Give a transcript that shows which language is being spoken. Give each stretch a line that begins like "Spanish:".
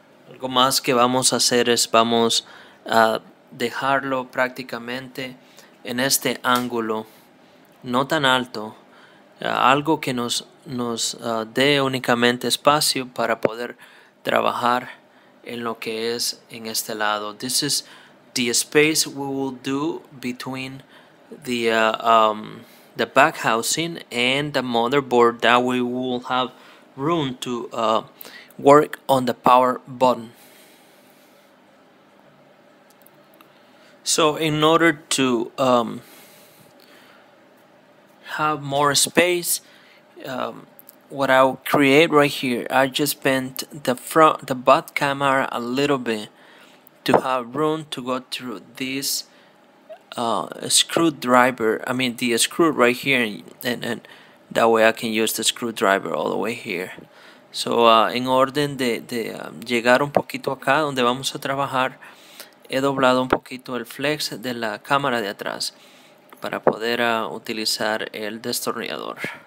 Spanish: Algo más que vamos a hacer es vamos a dejarlo prácticamente en este ángulo, no tan alto, algo que nos dé únicamente espacio para poder trabajar en lo que es en este lado.
English: This is the space we will do between the back housing and the motherboard, that we will have room to work on the power button. So in order to have more space, what I'll create right here, I just bent the butt camera a little bit to have room to go through this screw right here, and that way I can use the screwdriver all the way here. So in order
Spanish: de llegar un poquito acá donde vamos a trabajar, he doblado un poquito el flex de la cámara de atrás para poder utilizar el destornillador.